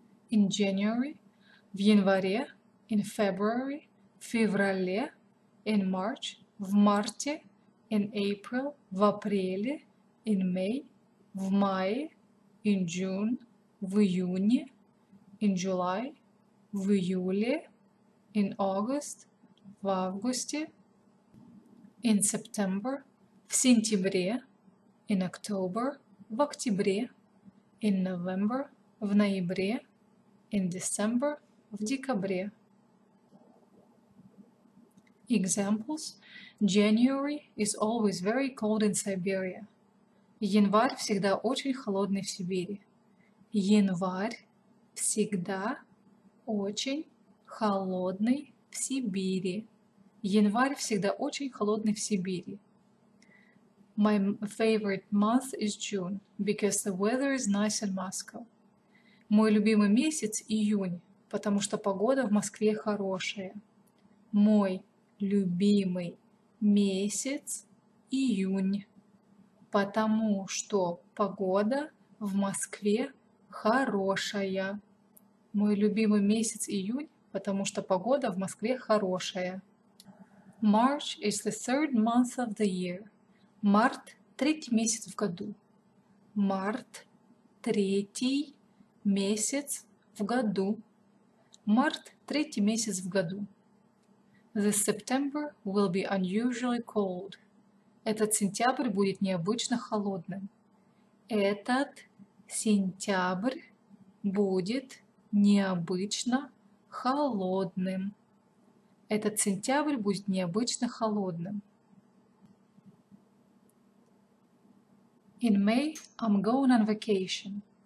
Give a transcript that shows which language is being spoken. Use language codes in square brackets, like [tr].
[en] In January, [ru] в январе, [en] in February, [ru] в феврале, [en] in March, [ru] в марте, [en] in April, [ru] в апреле, [en] in May, [ru] в мае, [en] in June, [ru] в июне, [en] in July, [ru] в июле, [en] in August, [ru] в августе, [en] in September, [ru] в сентябре, [en] in October, [ru] в октябре, [en] in November, [ru] в ноябре, [en] in December, [ru] в декабре. [en] Examples: January is always very cold in Siberia. [ru] Январь всегда очень холодный в Сибири. Январь всегда очень холодный в Сибири. Январь всегда очень холодный в Сибири. [en] My favorite month is June because the weather is nice in Moscow. [ru] Мой любимый месяц июнь, потому что погода в Москве хорошая. Мой любимый месяц июнь, потому что погода в Москве хорошая. Мой любимый месяц июнь, потому что погода в Москве хорошая. [en] March is the third month of the year. [ru] Март – третий месяц в году. Март – третий месяц в году. Март – третий месяц в году. [en] This September will be unusually cold. [ru] Этот сентябрь будет необычно холодным. Этот сентябрь будет необычно холодным. Этот сентябрь будет необычно холодным. [en] In May, I'm going on vacation.